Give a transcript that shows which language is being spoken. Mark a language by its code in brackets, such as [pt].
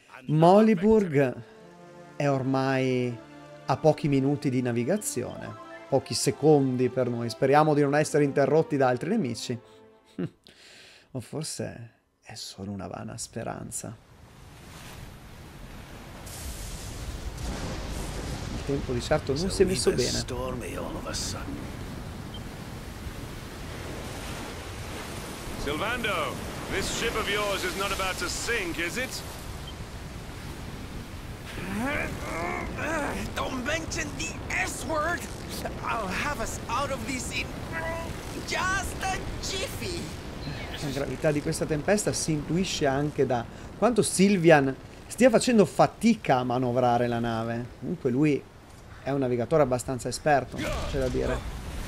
[it] Moliburg è ormai a pochi minuti di navigazione. Pochi secondi per noi, speriamo di non essere interrotti da altri nemici. O forse è solo una vana speranza. Il tempo di certo non si è messo bene. [en] Silvando, this ship of yours is not about to sink, is it? Don't mention the S-word! I'll have us out of this in just a jiffy! [it] La gravità di questa tempesta si intuisce anche da quanto Sylvian stia facendo fatica a manovrare la nave. Comunque lui è un navigatore abbastanza esperto, c'è da dire.